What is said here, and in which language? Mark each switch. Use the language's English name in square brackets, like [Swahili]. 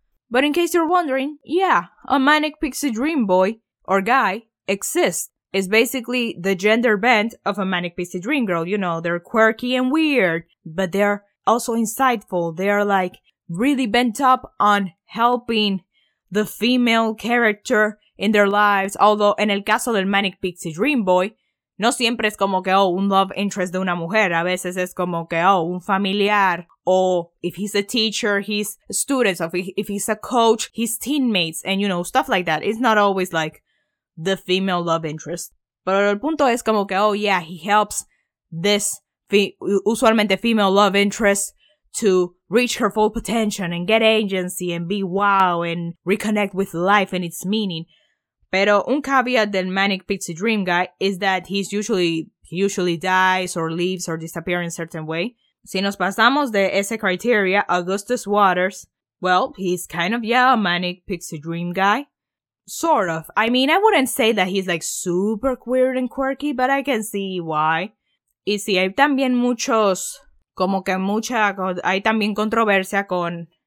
[English] But in case you're wondering, yeah, a manic pixie dream boy or guy exists. It's basically the gender bent of a manic pixie dream girl. You know, they're quirky and weird, but they're also insightful. They're like really bent up on helping the female character in their lives. [Spanish] Although, en el caso del manic pixie dream boy, no siempre es como que, oh, un love interest de una mujer. A veces es como que, oh, un familiar. [English] Or if he's a teacher, he's students. Or if he's a coach, he's teammates. And, you know, stuff like that. It's not always, like, the female love interest. [Spanish] Pero el punto es como que, [English] oh, yeah, he helps this usualmente female love interest to reach her full potential and get agency and be wow and reconnect with life and its meaning. [Spanish] Pero un caveat del [English] manic pixie dream guy is that he's usually dies or leaves or disappears in a certain way. [Spanish] Si nos pasamos de ese [English] criteria, Augustus Waters, well, he's kind of, yeah, a manic pixie dream guy. Sort of. I mean, I wouldn't say that he's like super weird and quirky, but I can see why. [Spanish] Y si hay también muchos, como que mucha, hay también controversia con...